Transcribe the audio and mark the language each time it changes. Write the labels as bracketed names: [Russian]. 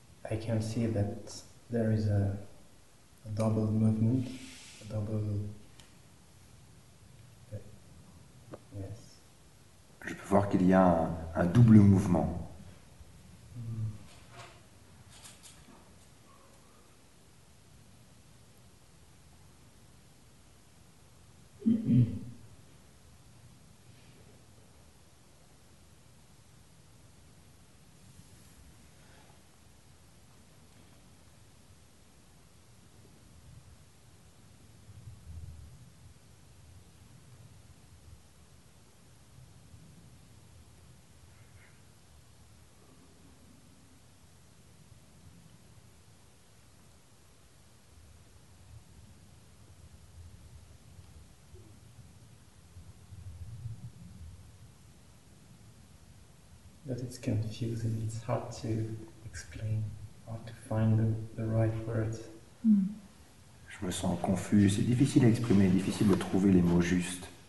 [English] I can see that there is a double movement, a double. Yes. [French] Je peux voir qu'il y a un double mouvement. [English] But it's confusing, it's hard to explain, hard to find the right words. Mm. [French] Je me sens confus, c'est difficile à exprimer, difficile de trouver les mots justes.